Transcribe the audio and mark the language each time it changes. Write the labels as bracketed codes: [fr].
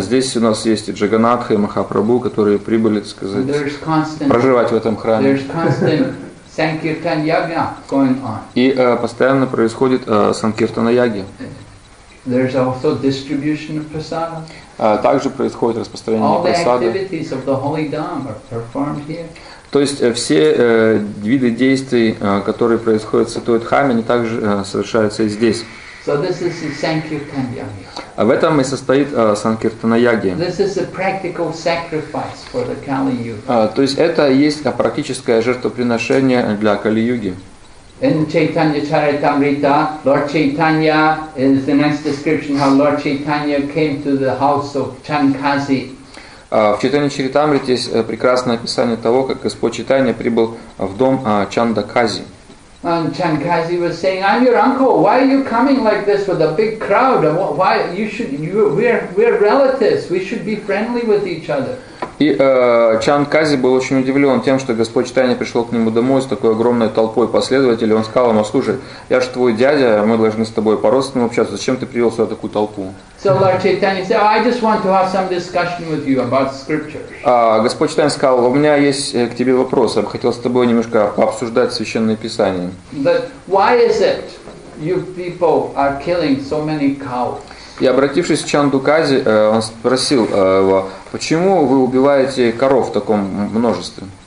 [ru] Здесь у нас есть и Джаганнатх и Махапрабху, которые прибыли, проживать в этом храме. [en] There's constant Sankirtan Yagya going on. [ru] И постоянно происходит Санкиртана Яги. [en] There's also distribution of prasada. [ru] Также происходит распространение [en] прасады. All the activities of the Holy Dhamma are performed here. [ru] То есть все виды действий, которые происходят в Святой Дхаме, они также совершаются и здесь. [en] So this is the Sankirtan Yagya. [ru] В этом и состоит Санкиртана Яги. [en] This is a practical sacrifice for the Kali Yuga. [ru] То есть это есть практическое жертвоприношение для Кали-Юги. [en] In Chaitanya Charitamrita, Lord Chaitanya is the next description how Lord Chaitanya came to the house of Chankazi. [ru] В Чайтанья Чаритамрите есть прекрасное описание того, как Господь Чайтанья прибыл в дом Чандакази. [en] And Chankazi was saying, "I'm your uncle. Why are you coming like this with a big crowd? Why you should? We're relatives. We should be friendly with each other." [ru] И Чанкази был очень удивлен тем, что Господь Чайтанья пришел к нему домой с такой огромной толпой последователей. Он сказал ему: "Слушай, я же твой дядя, мы должны с тобой по-родственному общаться. Зачем ты привел сюда такую толпу?" [en] So Lord Chaitanya said, "I just want to have some discussion with you about scriptures." [ru] Господь Чайтанья сказал: "У меня есть к тебе вопрос. Я бы хотел с тобой немножко пообсуждать священные писания." [en] But why is it you people are killing so many cows? [ru] И обратившись к Чандукази, он спросил его: "Почему вы убиваете коров в таком множестве?"